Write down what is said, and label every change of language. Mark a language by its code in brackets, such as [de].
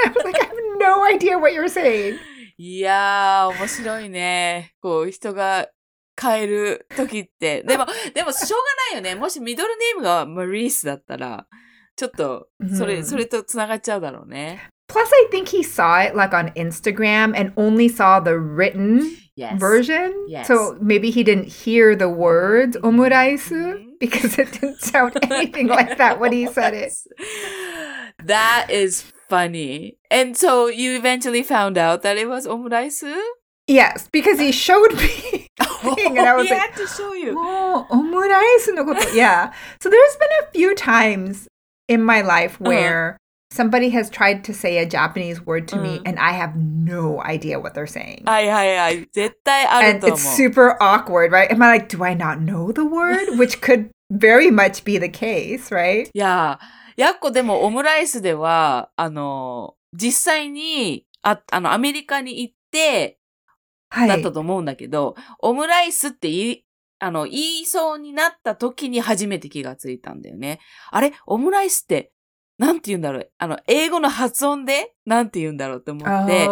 [en] And I was like, I have no idea what you're saying. [ja] いやー、面白いね。こう、人が変える時って。でも、しょうがないよね。もしミドルネームが Maurice だったら、ちょっと、それ、mm-hmm. それと繋がっちゃうだろうね。 [en] Plus, I think he saw it like on Instagram and only saw the written yes. version. Yes. So maybe he didn't hear the word omuraisu mm-hmm. because it didn't sound anything like that when he said it. That is funny. And so you eventually found out that it was omuraisu? Yes, because he showed me the thing and I was like, to show you. [ja] Oh, omuraisu no koto. Yeah. [en] So there's been a few times in my life where... Uh-huh. Somebody has tried to say a Japanese word to me, and I have no idea what they're saying. [ja] はいはいはい、絶対あると思う。 [en] And it's super awkward, right? Am I like, do I not know the word? Which could very much be the case, right? [ja] いや、やっこでもオムライスでは、あの、実際に、あの、アメリカに行って、はい、だったと思うんだけど、オムライスって言い、あの、言いそうになった時に初めて気がついたんだよね。あれ、オムライスって、なんて言うんだろう、あの、英語の発音でなんて言うんだろうって思って、